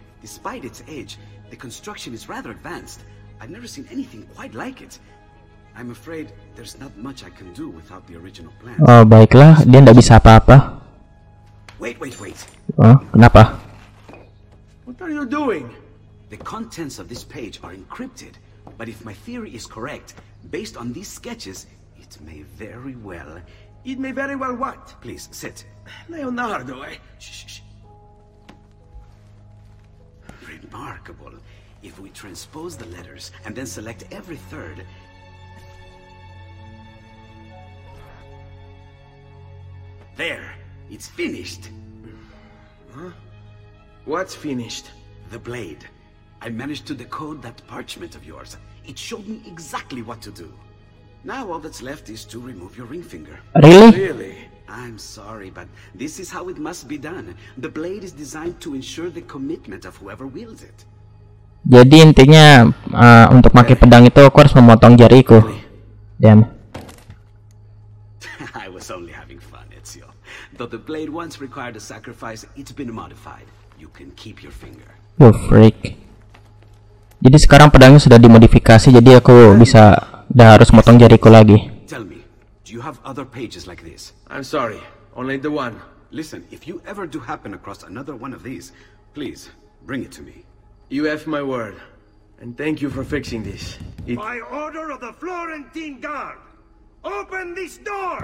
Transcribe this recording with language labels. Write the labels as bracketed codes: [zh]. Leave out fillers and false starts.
[en] Despite its age, the construction is rather advanced. I've never seen anything quite like it. I'm afraid there's not much I can do without the original plan. [id] Oh, baiklah, dia enggak bisa apa-apa. [en] Wait. [id] Oh, kenapa? [en] What are you doing? The contents of this page are encrypted, but if my theory is correct, based on these sketches, it may very well... It may very well what? Please, sit. Leonardo, eh? Shh, shh, shh. Remarkable. If we transpose the letters and then select every third... There! It's finished! Huh? What's finished? The blade. I managed to decode that parchment of yours. It showed me exactly what to do. Now all that's left is to remove your ring finger. Really? Really? I'm sorry, but this is how it must be done. The blade is designed to ensure the commitment of whoever wields it. [id] Jadi intinya, untuk pakai pedang itu aku harus memotong jariku. [en] Damn. I was only having fun, Ezio. Though the blade once required a sacrifice, it's been modified. You can keep your finger. Oh, freak. [id] Jadi sekarang pedangnya sudah dimodifikasi, jadi aku bisa udah harus motong jariku lagi. [en] Tell me, do you have other pages like this? I'm sorry, only the one. Listen, if you ever do happen across another one of these, please bring it to me. You have my word, and thank you for fixing this. It... By order of the Florentine Guard, open this door.